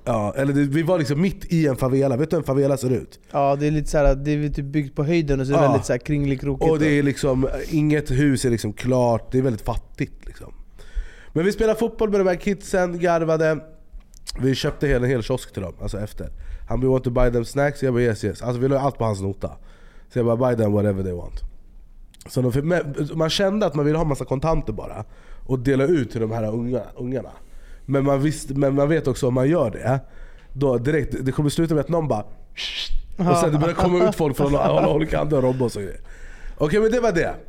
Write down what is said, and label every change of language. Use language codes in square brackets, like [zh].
[sv] Ja, eller vi var liksom mitt i en favela. Vet du hur en favela ser ut? Ja, det är lite så här, det är typ byggt på höjden och så är det väldigt så här kringlikrokigt. Och det är liksom, inget hus är liksom klart. Det är väldigt fattigt liksom. Men vi spelade fotboll med de här kidsen, garvade. Vi köpte en hel kiosk till dem, alltså efter. Han bara, [en] want to buy them snacks? [sv] Jag bara, [en] yes. [sv] Alltså vi lade allt på hans nota. Så jag bara, [en] buy them whatever they want. [sv] Så man kände att man ville ha massa kontanter bara och dela ut till de här ungarna. Men man vet också om man gör det då direkt, det kommer sluta med att någon bara och sen det börjar komma ut folk från alla olika andra robbar och så grejer. Okej, men det var det.